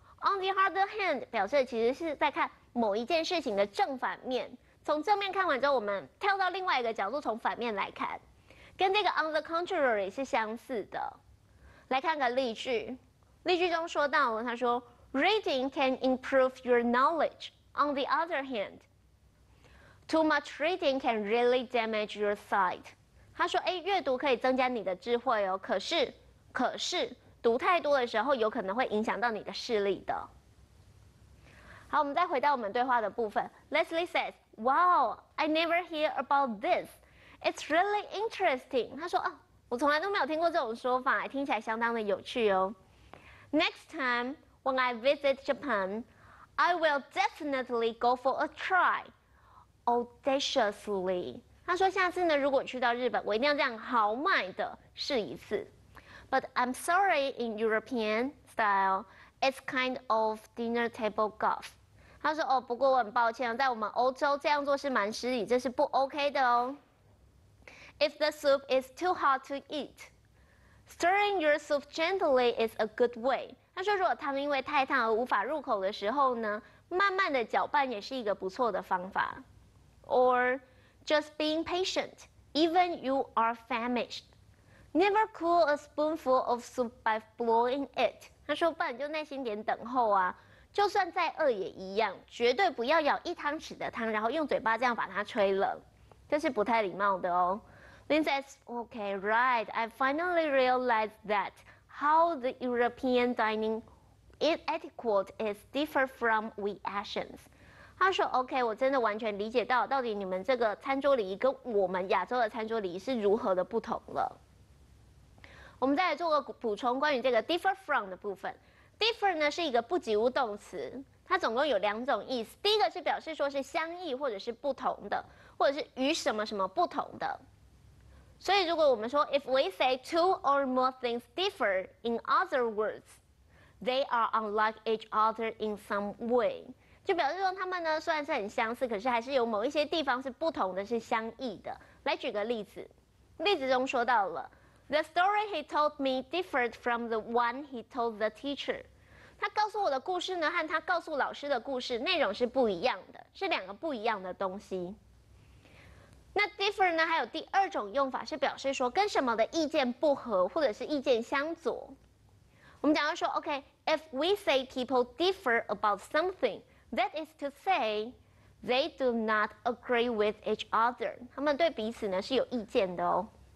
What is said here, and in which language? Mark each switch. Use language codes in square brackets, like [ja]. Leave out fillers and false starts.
[zh] on the other hand 表示其实是在看某一件事情的正反面。从正面看完之后，我们跳到另外一个角度，从反面来看，跟这个 on the contrary 是相似的。来看个例句，例句中说到了，他说。” [en] Reading can improve your knowledge. On the other hand, too much reading can really damage your sight. [zh] 他说：“哎，阅读可以增加你的智慧哦，可是，读太多的时候，有可能会影响到你的视力的。” 好，我们再回到我们对话的部分。 [en] Leslie says, "Wow, I never hear about this. It's really interesting." [zh] 他说：“啊，我从来都没有听过这种说法，听起来相当的有趣哦。 [en] Next time.” When I visit Japan, I will definitely go for a try, audaciously. [zh] 他说下次呢，如果去到日本，我一定要这样豪迈的试一次。 [en] But I'm sorry, in European style, it's kind of dinner table guff. [zh] 他说哦，不过我很抱歉，在我们欧洲这样做是蛮失礼，这是不 OK 的哦。 [en] If the soup is too hot to eat, stirring your soup gently is a good way. [zh] 他说如果汤因为太烫而无法入口的时候呢，慢慢的搅拌也是一个不错的方法。 [en] Or just being patient, even you are famished. Never cool a spoonful of soup by blowing it. [zh] 他说不然就耐心点等候啊，就算再饿也一样，绝对不要舀一汤匙的汤，然后用嘴巴这样把它吹冷，这是不太礼貌的哦。 [en] Lin says, okay, right, I finally realized that. How the European dining etiquette is different from we Asians. [zh] 他说 OK， 我真的完全理解到到底你们这个餐桌礼仪跟我们亚洲的餐桌礼仪是如何的不同了。我们再来做个补充，关于这个 differ from 的部分。 differ 呢是一个不及物动词，它总共有两种意思。第一个是表示说是相异或者是不同的，或者是与什么什么不同的。所以如果我们说 [en] if we say two or more things differ, in other words, they are unlike each other in some way. [zh] 就表示说他们呢虽然是很相似，可是还是有某一些地方是不同的，是相异的。来举个例子，例子中说到了 [en] the story he told me differed from the one he told the teacher. [zh] 他告诉我的故事呢和他告诉老师的故事内容是不一样的，是两个不一样的东西。那 differ 呢还有第二种用法，是表示说跟什么的意见不合或者是意见相左。我们讲到说 [en] OK， if we say people differ about something, that is to say they do not agree with each other， [zh] 他们对彼此呢是有意见的哦。